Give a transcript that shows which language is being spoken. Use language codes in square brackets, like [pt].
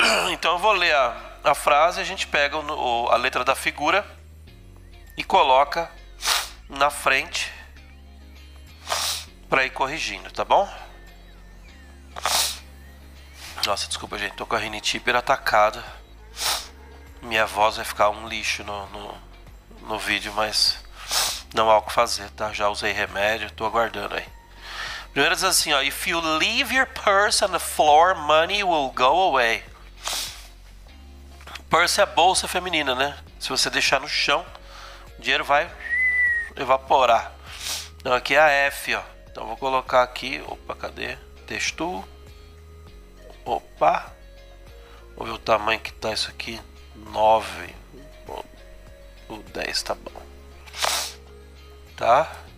[pt] Então eu vou ler a frase, a gente pega a letra da figura e coloca na frente para ir corrigindo, tá bom? Nossa, desculpa, gente, tô com a rinite hiper atacada. Minha voz vai ficar um lixo no vídeo, mas não há o que fazer, tá? Já usei remédio, tô aguardando aí. Primeiro diz assim, ó, [en] if you leave your purse on the floor, money will go away. [pt] Purse é a bolsa feminina, né? Se você deixar no chão, o dinheiro vai evaporar. Então aqui é a F, ó. Então vou colocar aqui, opa, cadê? Texto. Opa. Vou ver o tamanho que tá isso aqui. 9. O 10 tá bom. Tá?